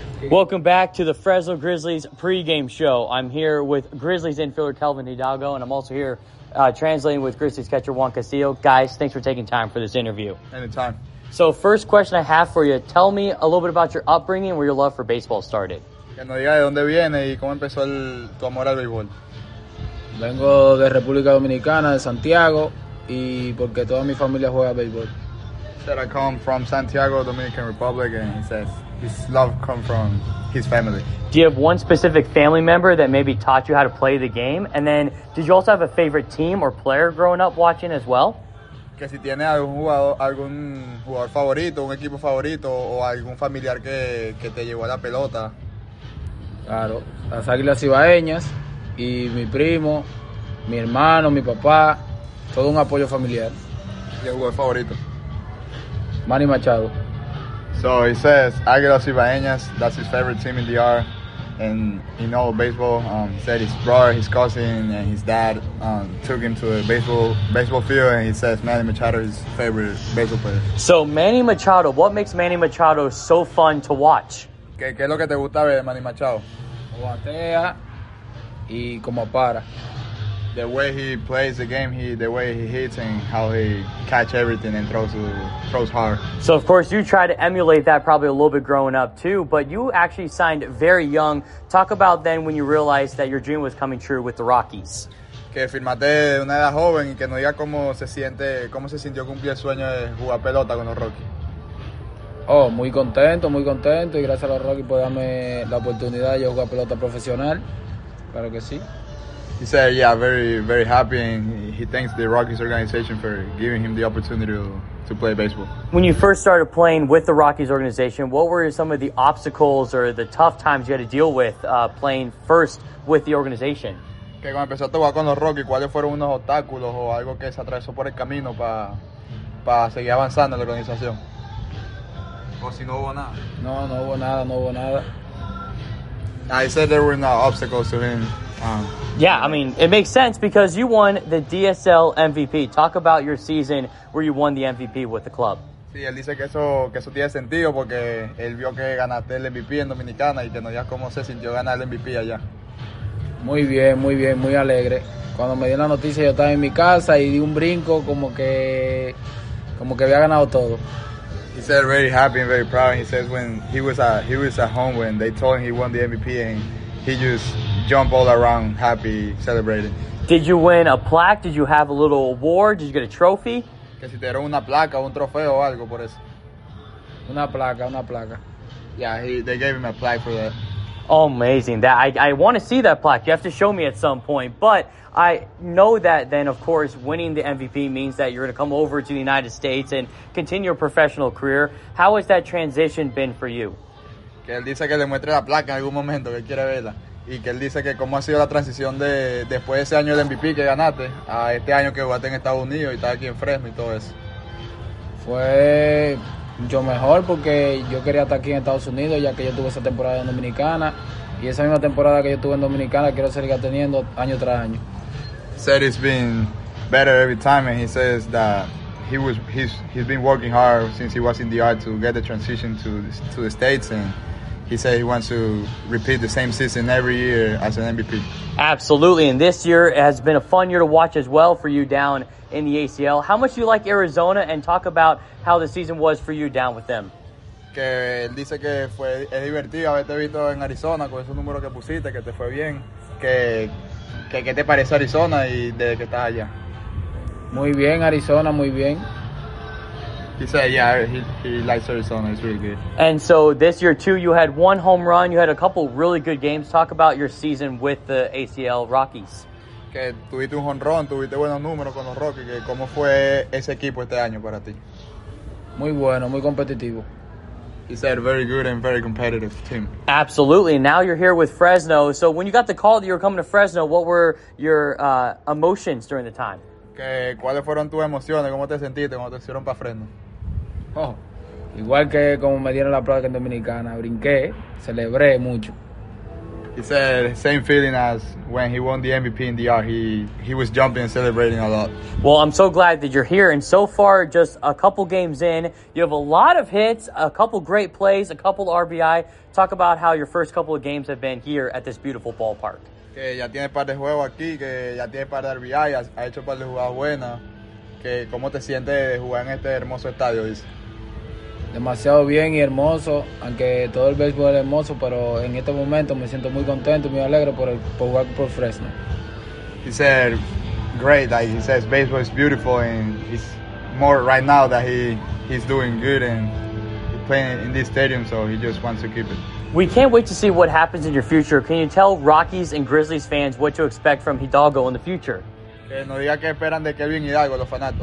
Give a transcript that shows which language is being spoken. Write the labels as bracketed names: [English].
[English] Welcome back to the Fresno Grizzlies pregame show. I'm here with Grizzlies infielder Kelvin Hidalgo, and I'm also here translating with Grizzlies catcher Juan Castillo. Guys, thanks for taking time for this interview. Anytime. So first question I have for you, tell me a little bit about your upbringing and where your love for baseball started. [Spanish] Que nos diga de dónde viene y cómo empezó tu amor al béisbol. Vengo de República Dominicana, de Santiago, y porque toda mi familia juega béisbol. [English] Said I come from Santiago, Dominican Republic, and he says his love come from his family. Do you have one specific family member that maybe taught you how to play the game? And then, did you also have a favorite team or player growing up watching as well? [Spanish] Que si tiene algún jugador favorito, un equipo favorito, o algún familiar que te llevó a la pelota. Claro, las Águilas Cibaeñas, y mi primo, mi hermano, mi papá, todo un apoyo familiar. ¿Y el jugador favorito? Manny Machado. [English] So he says Águilas Cibaeñas, that's his favorite team in the R, and he knows baseball. Said his brother, his cousin, and his dad took him to a baseball field, and he says Manny Machado is his favorite baseball player. So Manny Machado, what makes Manny Machado so fun to watch? [Spanish] ¿Qué es lo que te gusta ver de Manny Machado? Batea y como para. [English] The way he plays the game, the way he hits and how he catch everything and throws hard. So, of course, you try to emulate that probably a little bit growing up, too. But you actually signed very young. Talk about then when you realized that your dream was coming true with the Rockies. [Spanish] Que firmaste de una edad joven y que nos diga cómo se sintió cumplir el sueño de jugar pelota con los Rockies. Oh, muy contento. Y gracias a los Rockies por darme la oportunidad de jugar pelota profesional. Claro que sí. [English] He said, yeah, very, very happy, and he thanks the Rockies organization for giving him the opportunity to play baseball. When you first started playing with the Rockies organization, what were some of the obstacles or the tough times you had to deal with playing first with the organization? [Spanish] Que cuando empezaste a jugar con los Rockies, ¿cuáles fueron unos obstáculos o algo que se atravesó por el camino para seguir avanzando en la organización? O si no hubo nada. No hubo nada. [English] I said there were no obstacles to him. Yeah, I mean, it makes sense because you won the DSL MVP. Talk about your season where you won the MVP with the club. [Spanish] Sí, él dice que eso tiene sentido porque él vio que ganaste el MVP en Dominicana y que no sabía cómo se sintió ganar el MVP allá. Muy bien, muy bien, muy alegre. Cuando me dio la noticia yo estaba en mi casa y di un brinco como que había ganado todo. [English] He said very happy and very proud. He says when he was at home when they told him he won the MVP and he just jump all around, happy, celebrating. Did you win a plaque? Did you have a little award? Did you get a trophy? [Spanish] Que si te dieron una placa o un trofeo o algo por eso. Una placa. [English] Yeah, they gave him a plaque for that. Oh, amazing. I want to see that plaque. You have to show me at some point. But I know that then, of course, winning the MVP means that you're going to come over to the United States and continue your professional career. How has that transition been for you? [Spanish] Que él dice que le muestre la placa en algún momento, que quiere verla. Y que él dice que cómo ha sido la transición de después de ese año del MVP que ganaste a este año que jugaste en Estados Unidos y estás aquí en Fresno y todo eso. Fue mucho mejor porque yo quería estar aquí en Estados Unidos ya que yo tuve esa temporada en Dominicana y esa misma temporada que yo tuve en Dominicana quiero seguir teniendo año tras año. [English] Said it's been better every time and he says that he's been working hard since he was in the art to get the transition to the States and he said he wants to repeat the same season every year as an MVP. Absolutely, and this year has been a fun year to watch as well for you down in the ACL. How much do you like Arizona and talk about how the season was for you down with them? [Spanish] Que él dice que fue es divertido haberte visto en Arizona con esos números que pusiste, que te fue bien. ¿Qué te parece Arizona y de qué estás allá? Muy bien, Arizona, muy bien. [English] He said, yeah, he likes Arizona. It's really good. And so this year, too, you had one home run. You had a couple really good games. Talk about your season with the ACL Rockies. [Spanish] Que tuviste un home run, tuviste buenos números con los Rockies. Que ¿cómo fue ese equipo este año para ti? Muy bueno, muy competitivo. [English] He said, very good and very competitive team. Absolutely. Now you're here with Fresno. So when you got the call that you were coming to Fresno, what were your emotions during the time? [Spanish] ¿Cuáles fueron tus emociones? ¿Cómo te sentiste cuando te hicieron para Fresno? Igual que como me dieron la prueba en Dominicana, brinqué, celebré mucho. [English] He said same feeling as when he won the MVP in DR. He was jumping and celebrating a lot. Well, I'm so glad that you're here. And so far, just a couple games in, you have a lot of hits, a couple great plays, a couple RBI. Talk about how your first couple of games have been here at this beautiful ballpark. [Spanish] Que ya tiene par de juegos aquí, que ya tiene par de RBI, ha hecho par de jugadas buenas. Que cómo te sientes de jugar en este hermoso estadio, dice. Demasiado bien y hermoso, aunque todo el béisbol es hermoso, pero en este momento me siento muy contento y muy alegre por jugar por Fresno. [English] He said, great, like he says, baseball is beautiful and it's more right now that he's doing good and playing in this stadium, so he just wants to keep it. We can't wait to see what happens in your future. Can you tell Rockies and Grizzlies fans what to expect from Hidalgo in the future? [Spanish] Que no diga que esperan de Kelvin Hidalgo, los fanáticos.